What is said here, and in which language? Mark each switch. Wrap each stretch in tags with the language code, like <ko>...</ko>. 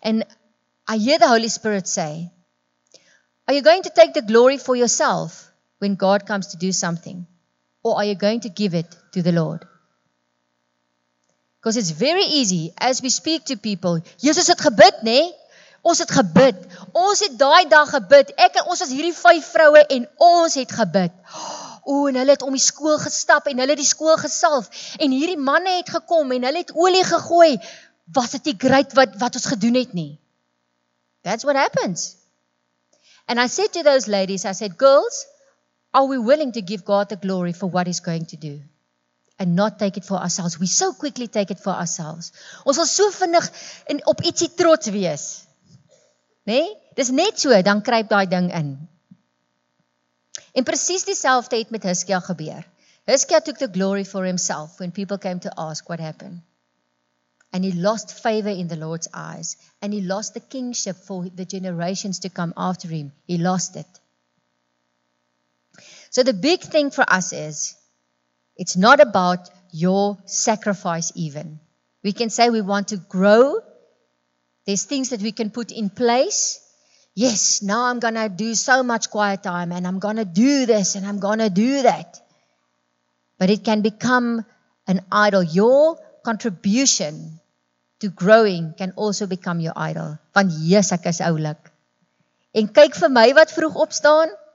<en>And I hear the Holy Spirit say, are you going to take the glory for yourself when God comes to do something? Or are you going to give it to the Lord? Because it's very easy as we speak to people,</en> <af>Jesus het gebid, né? Ons het gebid. Ons het daai dag gebid. Ek en ons was hierdie 5 vroue en ons het gebid. Oh, en hulle het om die skool gestap en hulle het die skool gesalf. En hierdie manne het gekom en hulle het olie gegooi. Was dit nie great wat ons gedoen het nie?</af> <en>That's what happens. And I said to those ladies, I said, girls, are we willing to give God the glory for what he's going to do? And not take it for ourselves. We so quickly take it for ourselves.</en> <af>Ons wil so vinnig en op ietsie trots wees. Nee, dis net so, dan kruip daai ding in. En precies dieselfde het met Hizkia gebeur.</af> <en>Hizkia took the glory for himself when people came to ask what happened. And he lost favor in the Lord's eyes. And he lost the kingship for the generations to come after him. He lost it. So the big thing for us is, it's not about your sacrifice even. We can say we want to grow. There's things that we can put in place. Yes, now I'm going to do so much quiet time and I'm going to do this and I'm going to do that. But it can become an idol. Your contribution to growing can also become your idol.</en> <af>Want yes, ek is oulik. En kyk vir my wat vroeg opstaan.</af>